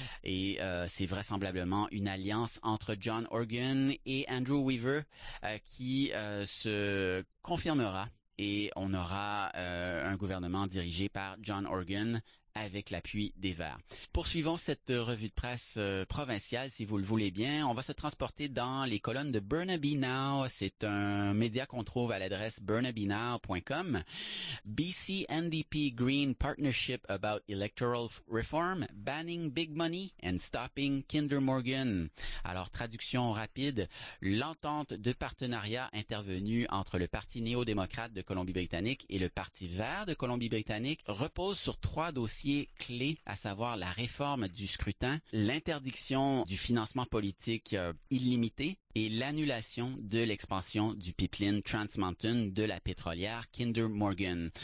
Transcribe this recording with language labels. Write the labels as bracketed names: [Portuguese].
[French] Et c'est vraisemblablement une alliance entre John Horgan et Andrew Weaver qui se confirmera. Et on aura un gouvernement dirigé par John Horgan, avec l'appui des Verts. Poursuivons cette revue de presse provinciale, si vous le voulez bien. On va se transporter dans les colonnes de Burnaby Now. C'est un média qu'on trouve à l'adresse burnabynow.com. [English] BC NDP Green Partnership about Electoral Reform, Banning Big Money and Stopping Kinder Morgan. [French] Alors, traduction rapide, l'entente de partenariat intervenue entre le Parti néo-démocrate de Colombie-Britannique et le Parti vert de Colombie-Britannique repose sur trois dossiers clés, à savoir la réforme du scrutin, l'interdiction du financement politique illimité et l'annulation de l'expansion du pipeline Trans Mountain de la pétrolière Kinder Morgan.